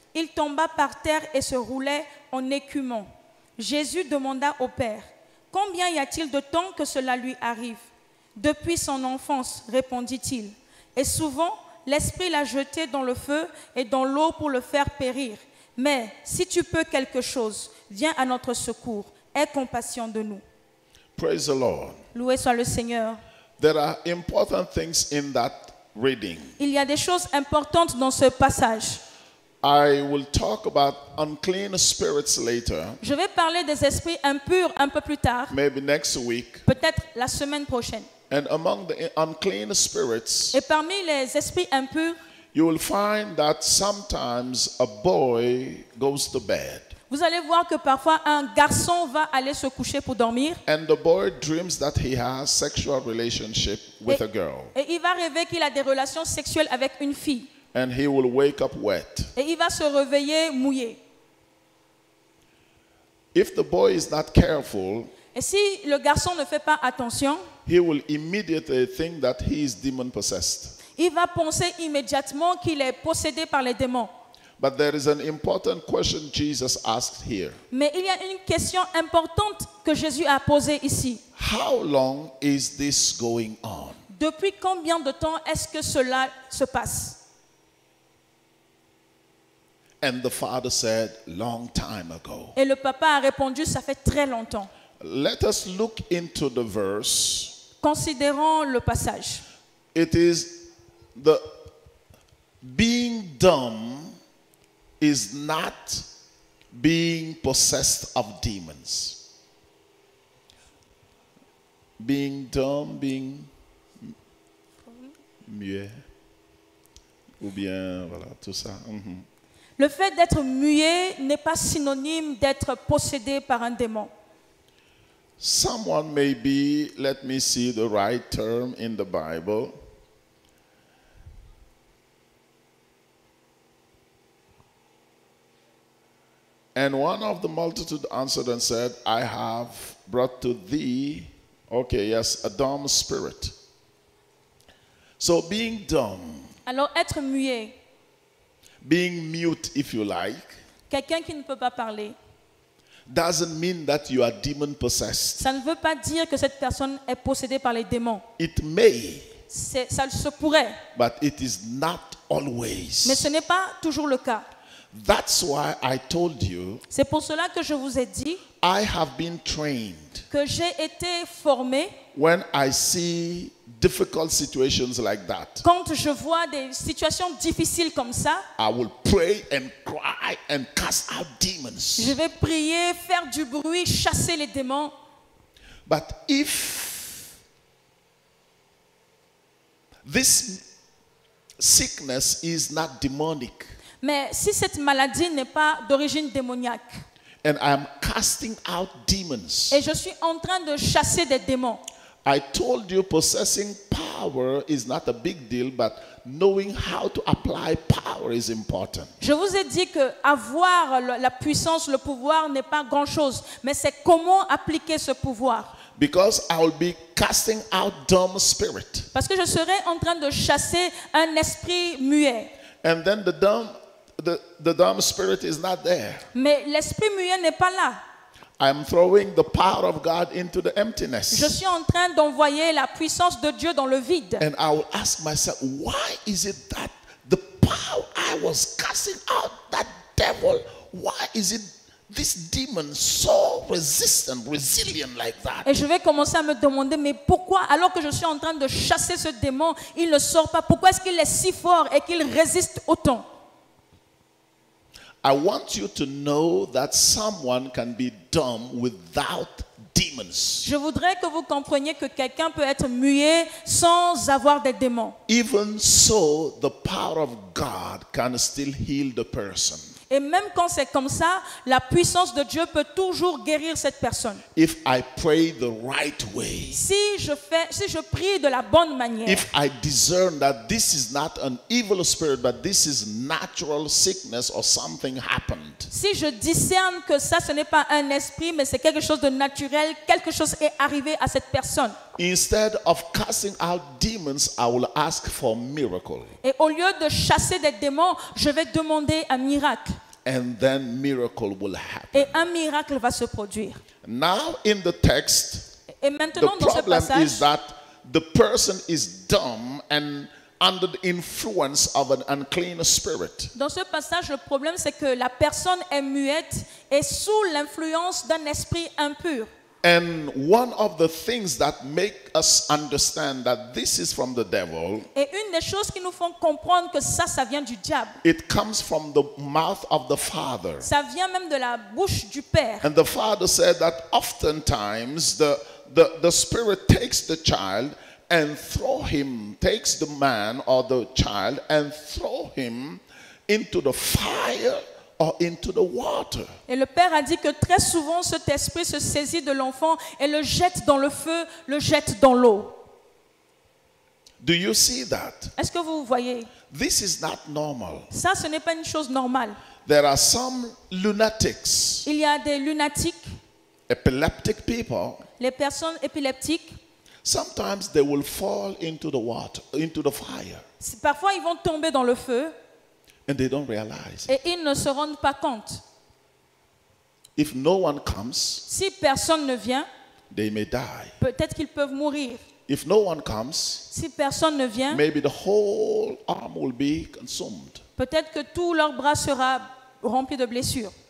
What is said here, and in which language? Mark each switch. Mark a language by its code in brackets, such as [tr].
[fr] Il tomba par terre et se roulait en écumant. Jésus demanda au Père, « Combien y a-t-il de temps que cela lui arrive ?»« Depuis son enfance, répondit-il. Et souvent, l'esprit l'a jeté dans le feu et dans l'eau pour le faire périr. » Mais si tu peux quelque chose, viens à notre secours. Aie compassion de nous. [en] Praise the Lord. [fr] Loué soit le Seigneur. [en] There are important things in that reading. [fr] Il y a des choses importantes dans ce passage. [en] I will talk about unclean spirits later. [fr] Je vais parler des esprits impurs un peu plus tard. [en] Maybe next week. [fr] Peut-être la semaine prochaine. [en] And among the unclean spirits. [fr] Et parmi les esprits impurs. [en] You will find that sometimes a boy goes to bed. [fr] Vous allez voir que parfois un garçon va aller se coucher pour dormir. [en] And the boy dreams that he has sexual relationship with a girl. [fr] Et il va rêver qu'il a des relations sexuelles avec une fille. [en] And he will wake up wet. [fr] Et il va se réveiller mouillé. [en] If the boy is not careful, [fr] et si le garçon ne fait pas attention, [en] he will immediately think that he is demon possessed. [fr] Il va penser immédiatement qu'il est possédé par les démons. [en] But there is an important question Jesus asked here. [fr] Mais il y a une question importante que Jésus a posée ici. [en] How long is this going on? [fr] Depuis combien de temps est-ce que cela se passe? [en] And the father said, long time ago. [fr] Et le papa a répondu, ça fait très longtemps. [en] Let us look into the verse. [fr] Considérons le passage. [en] It is the being dumb is not being possessed of demons. Being dumb, being [fr] muet, ou bien voilà tout ça. Mm-hmm. Le fait d'être muet n'est pas synonyme d'être possédé par un démon. [en] Someone may be, let me see the right term in the Bible. And one of the multitude answered and said, I have brought to thee, okay, yes, a dumb spirit. So being dumb, [fr] alors être muet, [en] being mute if you like, [fr] quelqu'un qui ne peut pas parler, [en] doesn't mean that you are demon possessed. [fr] Ça ne veut pas dire que cette personne est possédée par les démons. [en] It may, [fr] ça se pourrait, [en] but it is not always. [fr] Mais ce n'est pas toujours le cas. [en] That's why I told you, [fr] c'est pour cela que je vous ai dit, [en] I have been trained, [fr] que j'ai été formé, [en] when I see difficult situations like that, [fr] quand je vois des situations difficiles comme ça, [en] I will pray and cry and cast out demons. [fr] Je vais prier, faire du bruit, chasser les démons. [en] But if this sickness is not demonic, [fr] mais si cette maladie n'est pas d'origine démoniaque, [en] and I am casting out demons, [fr] et je suis en train de chasser des démons, [en] I told you possessing power is not a big deal, but knowing how to apply power is important. [fr] Je vous ai dit que avoir la puissance, le pouvoir n'est pas grand chose, mais c'est comment appliquer ce pouvoir. [en] Because I will be casting out dumb spirit. [fr] Parce que je serai en train de chasser un esprit muet. [en] And then the dumb spirit is not there. [fr] Mais l'esprit muet n'est pas là. [en] I am throwing the power of God into the emptiness. [fr] Je suis en train d'envoyer la puissance de Dieu dans le vide. [en] And I will ask myself, why is it that the power I was casting out, that devil, why is it this demon so resistant, resilient like that? [fr] Et je vais commencer à me demander, mais pourquoi, alors que je suis en train de chasser ce démon, il ne sort pas? Pourquoi est-ce qu'il est si fort et qu'il résiste autant? [en] I want you to know that someone can be dumb without demons. [fr] Je voudrais que vous compreniez que quelqu'un peut être muet sans avoir des démons. [en] Even so, the power of God can still heal the person. [fr] Et même quand c'est comme ça, la puissance de Dieu peut toujours guérir cette personne. [en] If I pray the right way, [fr] si je prie de la bonne manière, [en] if I discern that this is not an evil spirit, but this is natural sickness or something happened, [fr] si je discerne que ça, ce n'est pas un esprit, mais c'est quelque chose de naturel, quelque chose est arrivé à cette personne. [en] Instead of casting out demons, I will ask for a miracle. [fr] Et au lieu de chasser des démons, je vais demander un miracle. [en] And then miracle will happen. [fr] Et un miracle va se produire. [en] Now in the text, [fr] et maintenant [en] the [fr] dans [en] problem [fr] ce passage, [en] is that the person is dumb and under the influence of an unclean spirit. [fr] Dans ce passage, le problème c'est que la personne est muette et sous l'influence d'un esprit impur. [en] And one of the things that make us understand that this is from the devil, [fr] et une des choses qui nous font comprendre que ça vient du diable, [en] it comes from the mouth of the father. [fr] Ça vient même de la bouche du père. [en] And the father said that oftentimes the spirit takes the child and throw him, takes the man or the child and throw him into the fire. Or into the water. [fr] Et le père a dit que très souvent cet esprit se saisit de l'enfant et le jette dans le feu, le jette dans l'eau. [en] Do you see that? [fr] Est-ce que vous voyez? [en] This is not normal. [fr] Ça, ce n'est pas une chose normale. [en] There are some lunatics. [fr] Il y a des lunatiques. [en] Epileptic people. [fr] Les personnes épileptiques. [en] Sometimes they will fall into the water, into the fire. [fr] Parfois, ils vont tomber dans le feu. [en] And they don't realize. [fr] Et ils ne se rendent pas compte. [en] If no one comes, [fr] si personne ne vient, [en] they may die. [fr] Peut-être qu'ils peuvent mourir. [en] If no one comes, [fr] si personne ne vient, [en] maybe the whole arm will be consumed. [fr] Peut-être que tout leur bras sera rempli de blessures.